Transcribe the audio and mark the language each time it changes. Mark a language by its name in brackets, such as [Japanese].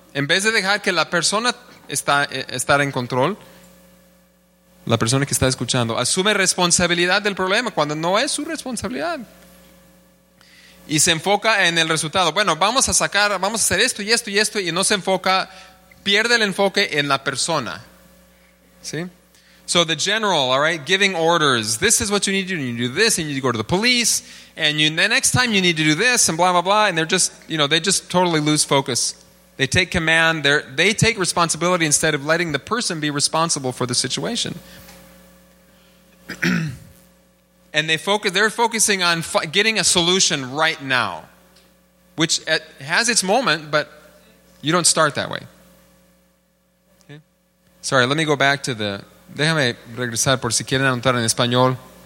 [Spanish] En vez de dejar que la persona esté en control, la persona que está escuchando, asume responsabilidad del problema cuando no es su responsabilidad. Y se enfoca en el resultado. Bueno, vamos a hacer esto y esto y esto, y no se enfoca, pierde el enfoque en la persona. [English] ¿Sí? So the general, all right, giving orders. This is what you need to do. You need to do this, and you need to go to the police, and you, the next time you need to do this, and blah, blah, blah. And they're just, you know, they just totally lose focus. They take command. They take responsibility instead of letting the person be responsible for the situation. And they're focusing on getting a solution right now, which has its moment, but you don't start that way. Okay. Sorry, let me go back to the... [Spanish] Déjame regresar por si quieren anotar en español.